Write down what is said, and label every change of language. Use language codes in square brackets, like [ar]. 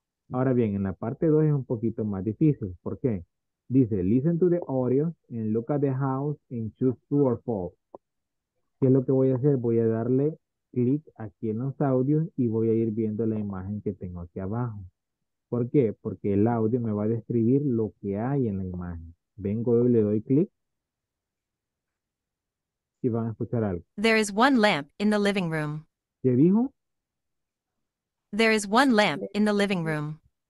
[es] Ahora bien, en la parte dos es un poquito más difícil. ¿Por qué? Dice, [en] listen to the audio and look at the house and choose true or false. [es] ¿Qué es lo que voy a hacer? Voy a darle clic aquí en los audios y voy a ir viendo la imagen que tengo aquí abajo. ¿Por qué? Porque el audio me va a describir lo que hay en la imagen. Vengo y le doy clic y van a escuchar algo. [en] There is one lamp in the living room. [es] ¿Qué dijo? [en] There is one lamp in the living room.